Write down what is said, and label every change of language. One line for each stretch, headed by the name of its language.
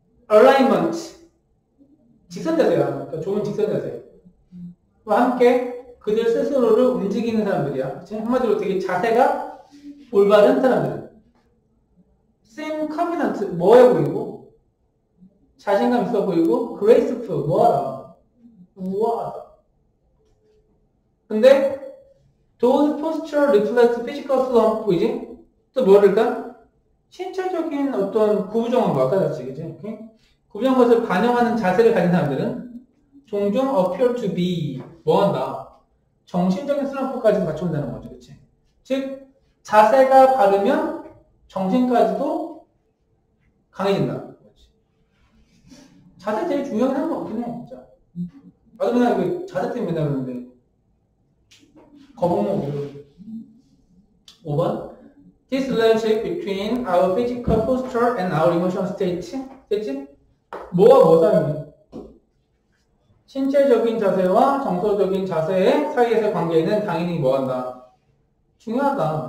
Korean: alignment 직선자세야. 그러니까 좋은 직선자세와 함께 그들 스스로를 움직이는 사람들이야. 그치? 한마디로 되게 자세가 올바른 사람들.
English: seem confident
Korean: 뭐해 보이고 자신감 있어 보이고 graceful 뭐하다 우아하다. 근데
English: those posture reflect physical slump
Korean: 보이지? 또 뭐랄까? 신체적인 어떤 구부정한 것 같았지, 그치? 구부정한 것을 반영하는 자세를 가진 사람들은 종종
English: appear to be,
Korean: 뭐한다? 정신적인 슬럼프까지 맞춘다는 거죠, 그치? 즉, 자세가 바르면 정신까지도 강해진다. 자세 제일 중요한 건 없긴 해, 진짜. 나도 맨날 그 자세 때문에 맨날 그러는데. 거북목 5번?
English: This relationship between our physical posture and our emotional state.
Korean: 됐지? 뭐와 뭐 사이? 신체적인 자세와 정서적인 자세의 사이에서 관계는 당연히 뭐 한다? 중요하다.